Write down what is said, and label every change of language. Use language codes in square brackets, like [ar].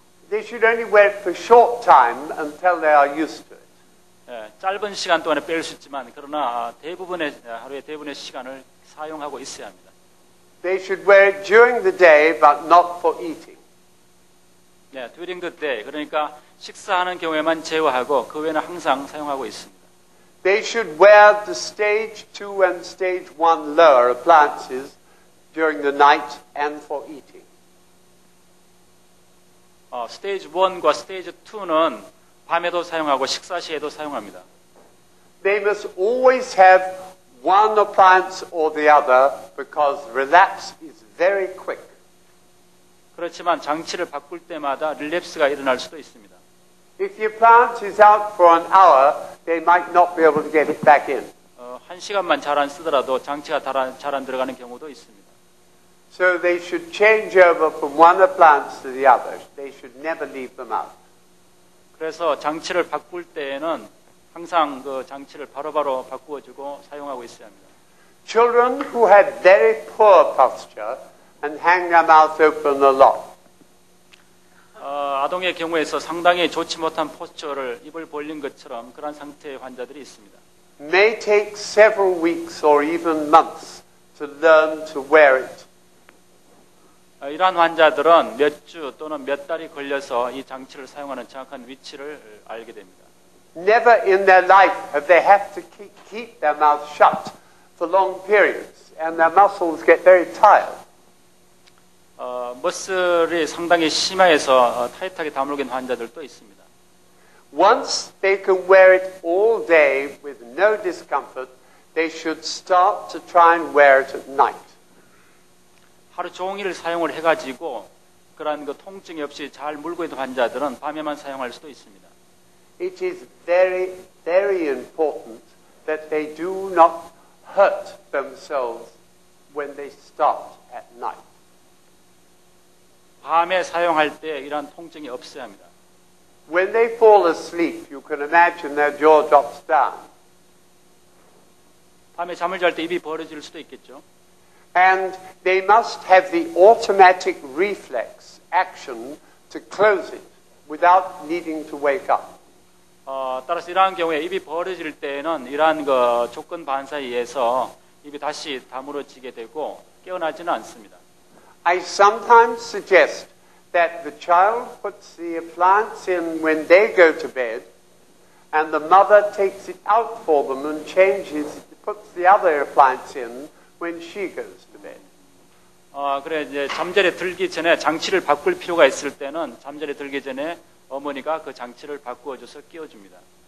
[en] They should only wear it for a short time until they are used to it. [ko] 예, 짧은 시간 동안에 뺄 수 있지만 그러나 대부분의 하루에 대부분의 시간을 사용하고 있어야 합니다. [en] They should wear it during the day, but not for eating. 네, during the day. [ko] 그러니까 식사하는 경우에만 제외하고 그 외에는 항상 사용하고 있습니다. [en] They should wear the stage 2 and stage 1 lower appliances during the night and for eating. [ko] 스테이지 1과 스테이지 2는 밤에도 사용하고 식사 시에도 사용합니다. [en] They must always have one appliance or the other because relapse is very quick. [ko] 그렇지만 장치를 바꿀 때마다 릴랩스가 일어날 수도 있습니다. [en] If your appliance is out for an hour, they might not be able to get it back in. [ko] 한 시간만 잘 안 쓰더라도 장치가 잘 안 들어가는 경우도 있습니다. [en] So they should change over from one appliance to the other. They should never leave them out. [ko] 그래서 장치를 바꿀 때에는 항상 그 장치를 바로 바꾸어 주고 사용하고 있어야 합니다. [en] Children who have very poor posture and hang their mouth open a lot. [ko] 아동의 경우에서 상당히 좋지 못한 포스처를 입을 벌린 것처럼 그런 상태의 환자들이 있습니다. [en] May take several weeks or even months to learn to wear it. [ko] 이러한 환자들은 몇 주 또는 몇 달이 걸려서 이 장치를 사용하는 정확한 위치를 알게 됩니다. [en] Never in their life have they have to keep their mouth shut for long periods and their muscles get very tired. [ko] 머슬이 상당히 심해서 타이트하게 다물긴 환자들도 있습니다. [en] Once they can wear it all day with no discomfort, they should start to try and wear it at night. [ko] 하루 종일 사용을 해가지고 그런 그 통증이 없이 잘 물고 있는 환자들은 밤에만 사용할 수도 있습니다. [en] It is very, very important that they do not hurt themselves when they start at night. [ko] 밤에 사용할 때 이런 통증이 없어야 합니다. [en] When they fall asleep, you can imagine their jaw drops down. [ko] 밤에 잠을 잘 때 입이 벌어질 수도 있겠죠. [en] And they must have the automatic reflex action to close it without needing to wake up. [ko] 따라서 이러한 경우에 입이 벌어질 때에는 이러한 그 조건 반사에 의해서 입이 다시 다물어지게 되고 깨어나지는 않습니다. [en] I sometimes suggest that the child puts the appliance in when they go to bed and the mother takes it out for them and changes, puts the other appliance in when she goes to bed. [ko] 그래 이제 잠자리에 들기 전에 장치를 바꿀 필요가 있을 때는 잠자리에 들기 전에 어머니가 그 장치를 바꾸어 줘서 끼워 줍니다.